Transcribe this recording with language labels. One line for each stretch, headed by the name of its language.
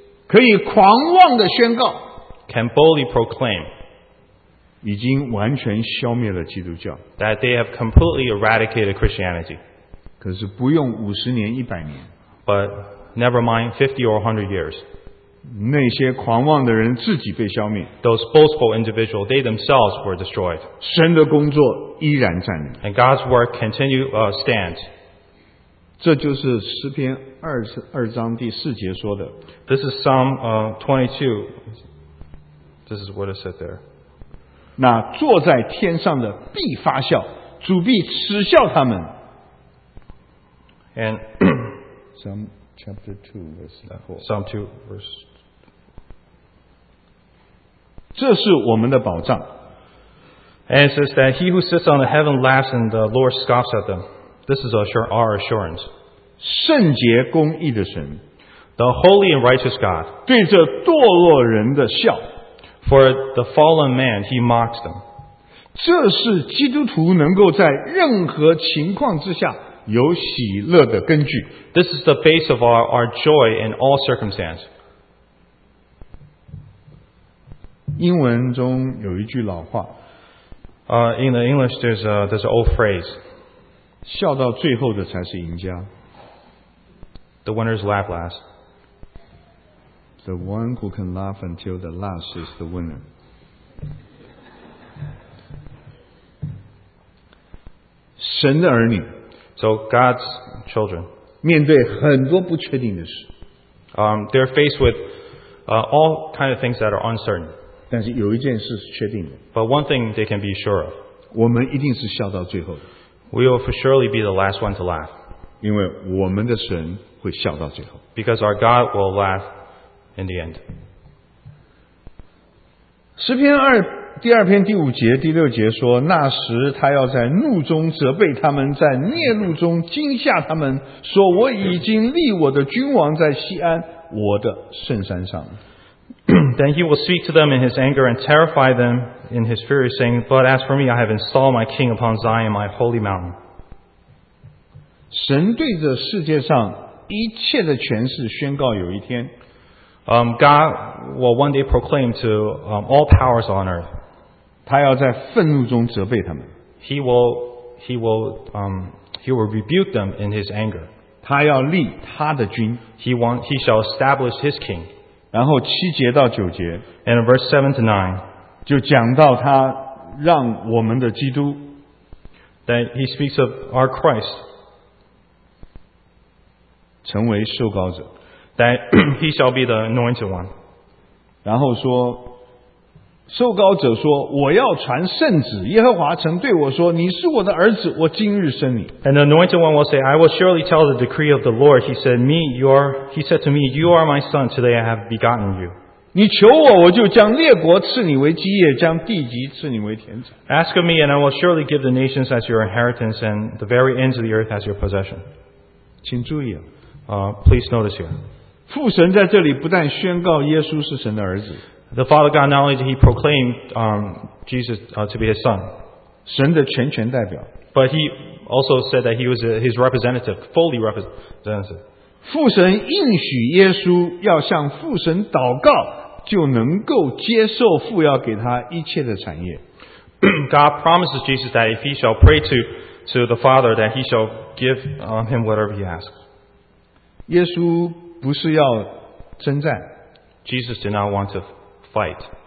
Chinese: 可以狂妄的宣告
English: can boldly proclaim
Chinese: 已经完全消灭了基督教
English: that they have completely eradicated Christianity
Chinese: 可是不用五十年一百年
English: but never mind 50 or 100 years
Chinese: 那些狂妄的人自己被消灭
English: those boastful individuals they themselves were destroyed
Chinese: 神的工作依然站立
English: and God's work continue stands
Chinese: 这就是诗篇二十二章第四节说的。
English: This is Psalm 22. This is what it said there.
Chinese: 那坐在天上的必发笑，主必耻笑他们。
English: And Psalm chapter 2 verse 4. Psalm 2 verse.
Chinese: 这是我们的宝藏。
English: And it says that he who sits on the heaven laughs and the Lord scoffs at them. This is our assurance.
Chinese: 圣洁公义的神
English: The holy and righteous God
Chinese: 对着堕落人的笑
English: For the fallen man, he mocks them
Chinese: 这是基督徒能够在任何情况之下有喜乐的根据
English: This is the base of our joy in all circumstances
Chinese: 英文中有一句老话
English: In the English, there's an old phrase
Chinese: 笑到最后的才是赢家
English: The winners laugh last. The one who can laugh until the last is the winner.
Chinese: 神的儿女
English: So God's children.
Chinese: 面对很多不确定的事
English: They're faced with all kinds of things that are uncertain.
Chinese: 但是有一件事是确定的
English: But one thing they can be sure of.
Chinese: 我们一定是笑到最后的
English: We will for surely be the last one to laugh.
Chinese: 因为我们的神会笑到最后
English: Because our God will laugh in the end.
Chinese: 诗篇二第二篇第五节第六节说那时他要在怒中责备他们在孽怒中惊吓他们说我已经立我的君王在锡安我的圣山上
English: Then he will speak to them in his anger and terrify them in his fury saying but as for me I have installed my king upon Zion my holy mountain.
Chinese: 神对着世界上一切的权势宣告有一天
English: God will one day proclaim to all powers on earth
Chinese: 他要在愤怒中责备他们
English: He will rebuke them in his anger
Chinese: 他要立他的君
English: He shall establish his king
Chinese: 然后七节到九节
English: And in verse 7 to 9
Chinese: 就讲到他让我们的基督
English: That he speaks of our Christ
Chinese: 成为受膏者
English: that he shall be the anointed one
Chinese: 然后说受膏者说我要传圣旨耶和华曾对我说你是我的儿子我今日生你
English: and the anointed one will say I will surely tell the decree of the Lord he said to me you are my son today I have begotten you
Chinese: 你求我我就将列国赐你为基业将地极赐你为田产
English: ask of me and I will surely give the nations as your inheritance and the very ends of the earth as your possession
Chinese: 请注意啊
English: please notice here.
Chinese: 父神在这里不但宣告耶稣是神的儿子。
English: The Father God not only did he proclaim Jesus to be his son.
Chinese: 神的全权代表。
English: But he also said that he was his representative, fully representative.
Chinese: 父神应许耶稣要向父神祷告就能够接受父要给他一切的产业。
English: God promises Jesus that if he shall pray to the Father that he shall give him whatever he asks.
Chinese: 耶稣不是要征战
English: Jesus did not want to fight